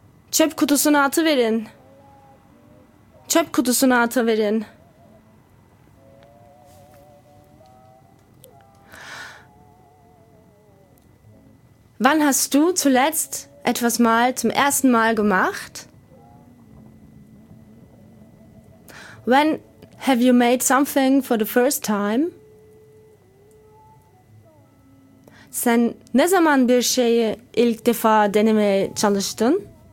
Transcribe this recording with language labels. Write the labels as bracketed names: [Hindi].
[Turkish] Çöp kutusuna atıverin. Çöp kutusuna atıverin. [German] Wann hast du zuletzt etwas mal zum ersten Mal gemacht? [English] When have you made something for the first time? [Turkish] Sen ne zaman bir şeyi ilk defa denemeye çalıştın?